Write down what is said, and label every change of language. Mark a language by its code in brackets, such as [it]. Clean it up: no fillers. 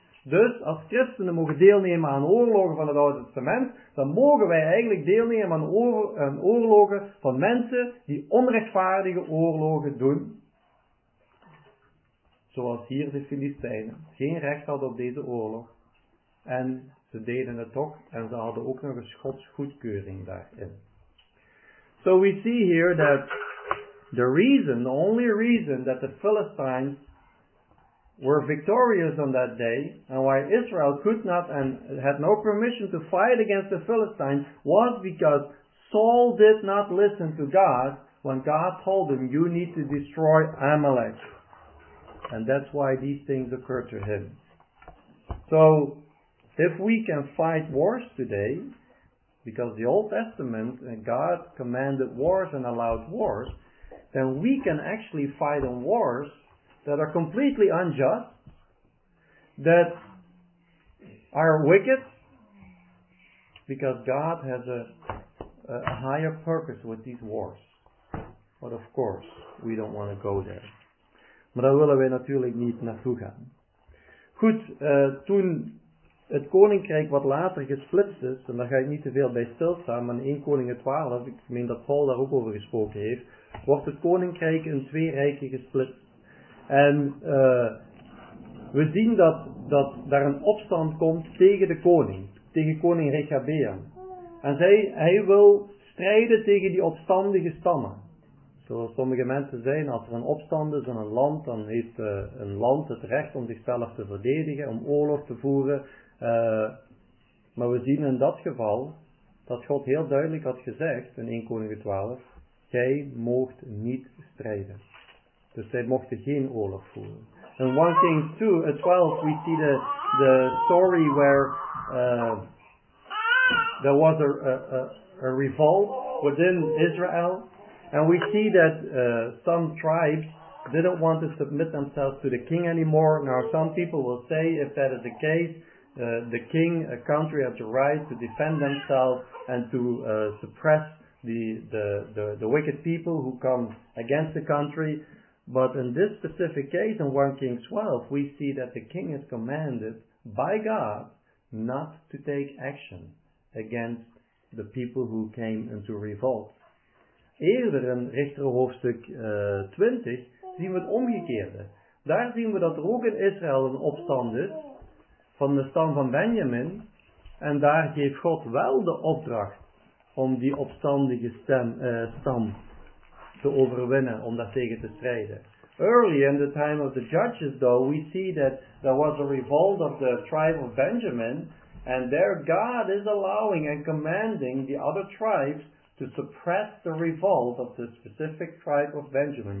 [nl] Dus als christenen mogen deelnemen aan oorlogen van het Oude Testament, dan mogen wij eigenlijk deelnemen aan oorlogen van mensen die onrechtvaardige oorlogen doen. Zoals hier de Filistijnen. Geen recht hadden op deze oorlog. En ze deden het toch. En ze hadden ook nog eens Gods goedkeuring daarin. [en] So we see here that the reason, the only reason that the Philistines were victorious on that day, and why Israel could not and had no permission to fight against the Philistines, was because Saul did not listen to God when God told him, you need to destroy Amalek. And that's why these things occurred to him. So, if we can fight wars today, because the Old Testament, and God commanded wars and allowed wars, then we can actually fight in wars that are completely unjust, that are wicked, because God has a higher purpose with these wars. But of course, we don't want to go there. [nl] Maar daar willen wij natuurlijk niet naartoe gaan. Goed, toen het koninkrijk wat later gesplitst is, en daar ga ik niet te veel bij stilstaan, maar in 1 Koningen 12, ik meen dat Paul daar ook over gesproken heeft, wordt het koninkrijk in twee rijken gesplitst. En we zien dat daar een opstand komt tegen de koning. Tegen koning Rechabeam. En hij wil strijden tegen die opstandige stammen. Zoals sommige mensen zeggen, als er een opstand is in een land, dan heeft een land het recht om zichzelf te verdedigen, om oorlog te voeren. Maar we zien in dat geval dat God heel duidelijk had gezegd in 1 Koningen 12, jij moogt niet strijden. Dus zij mochten geen oorlog voeren. [en] In 1 Kings 12, we see the story where there was a revolt within Israel. And we see that some tribes didn't want to submit themselves to the king anymore. Now some people will say if that is the case, the king, a country, has the right to defend themselves and to suppress the wicked people who come against the country. But in this specific case, in 1 Kings 12, we see that the king is commanded by God not to take action against the people who came into revolt. [nl] Eerder in Richter hoofdstuk 20 zien we het omgekeerde. Daar zien we dat er ook in Israël een opstand is van de stam van Benjamin. En daar geeft God wel de opdracht om die opstandige stam te overwinnen, om daar tegen te strijden. [en] Early in the time of the judges though, we see that there was a revolt of the tribe of Benjamin, and there God is allowing and commanding the other tribes to suppress the revolt of the specific tribe of Benjamin.